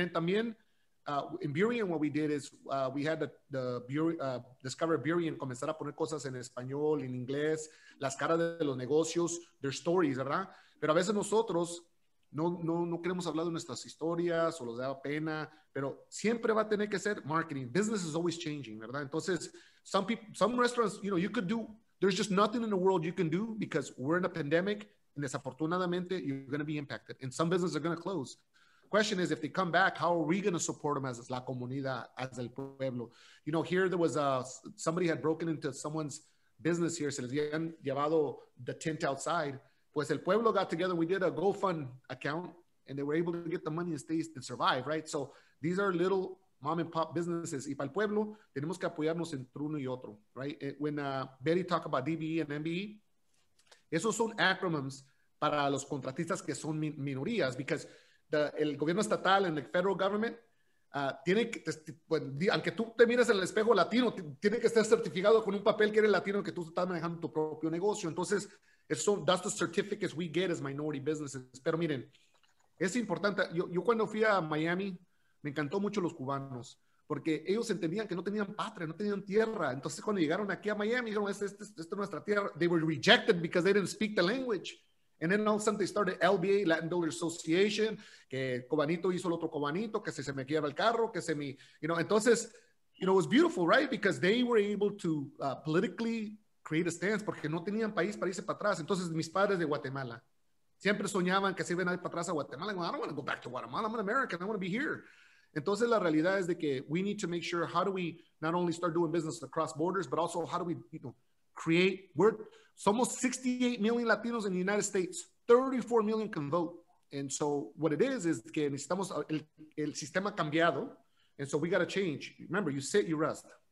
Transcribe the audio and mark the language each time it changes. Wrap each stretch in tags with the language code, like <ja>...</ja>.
<en>And then</en> <es>también,</es> <en>in Burien, what we did is we had the Discover Burien</en> <es>comenzar a poner cosas en español, en inglés, las caras de los negocios,</es> <en>their stories,</en> <es>¿verdad? Pero a veces nosotros no queremos hablar de nuestras historias o nos da pena, pero siempre va a tener que ser marketing.</es> <en>Business is always changing,</en> <es>¿verdad? Entonces,</es> <en>some restaurants, you could do, there's just nothing in the world you can do because we're in a pandemic, and</en> <es>desafortunadamente,</es> <en>you're going to be impacted. And some businesses are going to close. Question is, if they come back, how are we going to support them as</en> <es>la comunidad,</es> <en>as</en> <es>el pueblo?</es> <en>Here there was somebody had broken into someone's business here,</en> <es>se les habían llevado</es> <en>the tent outside.</en> <es>Pues el pueblo</es> <en>got together, we did a GoFund account, and they were able to get the money and stay and survive, right? So these are little mom and pop businesses.</en> <es>Y para el pueblo, tenemos que apoyarnos entre uno y otro,</es> <en>right? When Betty talked about DBE and MBE,</en> <es>esos son acronyms para los contratistas que son minorías,</es> <en>because</en> <es>el gobierno estatal</es> <en>and the federal government,</en> <es>aunque tú te mires en el espejo latino, tiene que estar certificado con un papel que eres latino, que tú estás manejando tu propio negocio. Entonces,</es> <en>So that's the certificates we get as minority businesses.</en> <es>Pero miren, es importante. Yo cuando fui a Miami, me encantó mucho los cubanos, porque ellos entendían que no tenían patria, no tenían tierra. Entonces, cuando llegaron aquí a Miami, dijeron, esta es nuestra tierra.</es> <en>They were rejected because they didn't speak the language. And then all of a sudden they started LBA, Latin Builder Association,</en> <es>que cubanito hizo el otro cubanito, que se me quiebra el carro, que se me,</es> <en>you know.</en> <es>Entonces,</es> <en>you know, it was beautiful, right? Because they were able to politically create a stance,</en> <es>porque no tenían país para irse para atrás. Entonces, mis padres de Guatemala siempre soñaban que se iban a ir para atrás a Guatemala.</es> <en>Well, I don't want to go back to Guatemala. I'm an American. I want to be here.</en> <es>Entonces, la realidad es de que</es> <en>we need to make sure, how do we not only start doing business across borders, but also how do we, you know, create,</en> <es>somos</es> <en>68 million Latinos in the United States, 34 million can vote. And so what it is</en> <es>que necesitamos el sistema cambiado.</es> <en>And so we got to change. Remember, you sit, you rest.</en>